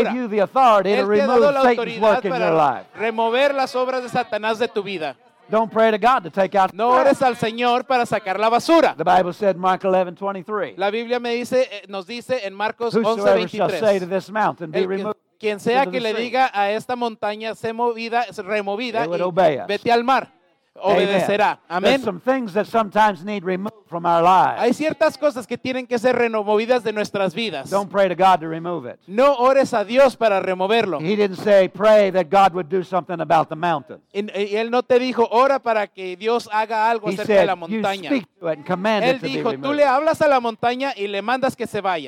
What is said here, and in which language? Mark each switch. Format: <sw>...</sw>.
<en>He gave you the authority to remove Satan's work in your life.</en> <es>Remover las obras de Satanás de tu vida.</es> <en>Don't pray to God to take out.</en> <es>No ores al Señor para sacar la basura.</es> <en>The Bible said, Mark 11:23.</en> <es>La Biblia me dice, nos dice en Marcos 11:23.</es> <en>Whosoever shall say to this mountain, be removed.</en> <es>Quien sea que le diga a esta montaña, se movida, removida, y vete al mar, obedecerá. Amén.</es> <en>There's some things that sometimes need removed from our lives.</en> <es>Hay ciertas cosas que tienen que ser removidas de nuestras vidas.</es> <en>Don't pray to God to remove it.</en> <es>No ores a Dios para removerlo.</es> <en>He didn't say pray that God would do something about the mountain.</en> <es>Y él no te dijo ora para que Dios haga algo acerca</es> <en>said,</en> <es>de la montaña.</es> <en>You speak to it and command</en> <es>él</es> <en>it to</en> <es>dijo,</es> <en>be removed.</en> <es>Tú le hablas a la montaña y le mandas que se vaya.</es>